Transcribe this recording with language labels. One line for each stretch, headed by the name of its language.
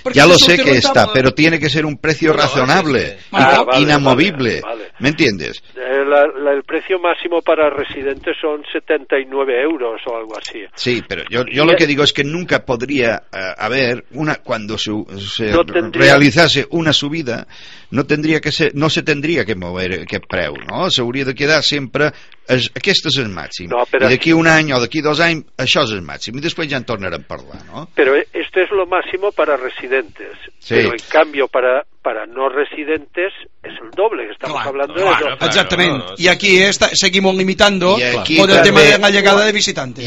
Spanish: Ja lo sé que està, però tiene que ser un precio razonable, inamovible. ¿Me entiendes? El precio máximo para residentes son 79 euros o algo así. Sí, pero yo lo que digo es que nunca podría haber una, cuando se realizase una subida, no tendría que ser, no se tendría que mover que preu, ¿no?
Catalan: Se hauria de quedar siempre aquest és el màxim. No, i d'aquí un any o d'aquí dos anys això és el màxim i després ja en tornarem a parlar, no?
Spanish: Però esto es lo máximo para residentes. Sí. Pero en cambio para no residentes es el doble, que estamos claro, hablando claro, de claro, exactament. Claro, y aquí está, seguimos limitando por el tema de la llegada de visitantes.